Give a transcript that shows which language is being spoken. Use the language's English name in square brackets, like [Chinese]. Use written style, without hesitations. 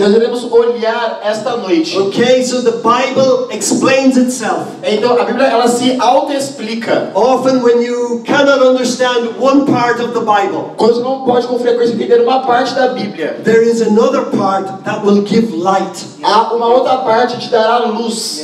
[Portuguese] Nós iremos olhar esta noite. [English] Okay, so the Bible explains itself. [Portuguese] Então a Bíblia ela se auto-explica. [English] Often when you cannot understand one part of the Bible. [Portuguese] Quando você não pode com frequência entender uma parte da Bíblia. [English] There is another part that will give light. [Portuguese] Há uma outra parte que te dará luz.